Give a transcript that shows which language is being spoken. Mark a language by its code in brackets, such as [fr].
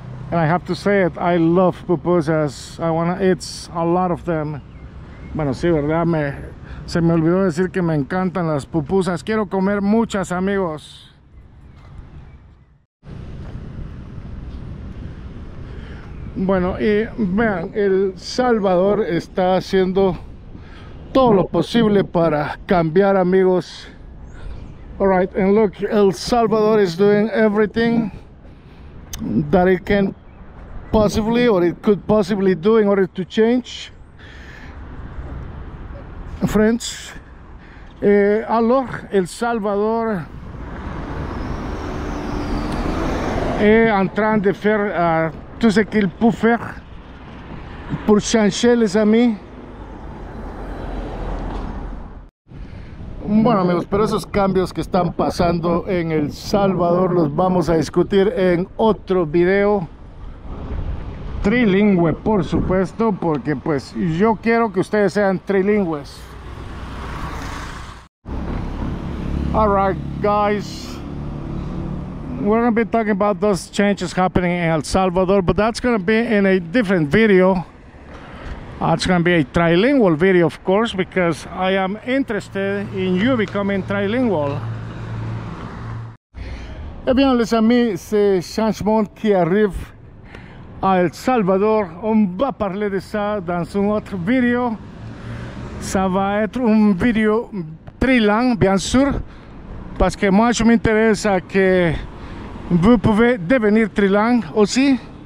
[en] And I have to say it, I love pupusas. I want to eat a lot of them. [es] Bueno, sí, verdad, se me olvidó decir que me encantan las pupusas. Quiero comer muchas, amigos. Bueno, y vean, El Salvador está haciendo todo lo posible para cambiar, amigos. [en] All right, and look, El Salvador is doing everything that it can possibly, or it could possibly do in order to change. [fr] Friends, alors El Salvador est en train de faire tout ce qu'il peut faire pour changer, les amis. [es] Bueno, amigos, pero esos cambios que están pasando en El Salvador los vamos a discutir en otro video. Trilingüe, por supuesto, porque pues yo quiero que ustedes sean trilingües. [en] All right, guys, we're gonna be talking about those changes happening in El Salvador, but that's gonna be in a different video. It's gonna be a trilingual video, of course, because I am interested in you becoming trilingual. [fr] Eh bien, les amis, c'est changement qui arrive à El Salvador. On va parler de ça dans un autre video. Ça va être un video trilingue, bien sûr. Parce que moi je m'intéresse à que vous pouvez devenir trilingue aussi.